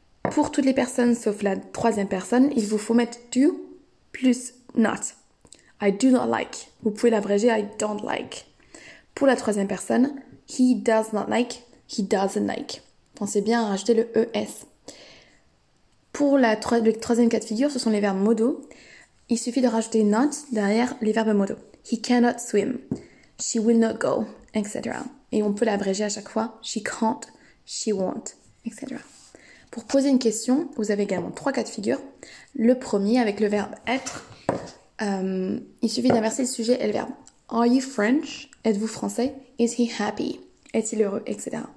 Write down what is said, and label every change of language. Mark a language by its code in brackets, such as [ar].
[fr] Pour toutes les personnes sauf la troisième personne, il vous faut mettre « do » plus « not ».« [en] I do not like [fr] », vous pouvez l'abréger « [en] I don't like ». [fr] Pour la troisième personne, « [en] he does not like »,« he doesn't like ». [fr] Pensez bien à rajouter le « es ». Pour le troisième cas de figure, ce sont les verbes modaux. Il suffit de rajouter not derrière les verbes modaux. [en] He cannot swim, she will not go, etc. [fr] Et on peut l'abréger à chaque fois. [en] She can't, she won't, [fr] etc. Pour poser une question, vous avez également trois cas de figure. Le premier avec le verbe être. Il suffit d'inverser le sujet et le verbe. [en] Are you French? [fr] Êtes-vous français? [en] Is he happy? [fr] Est-il heureux? Etc.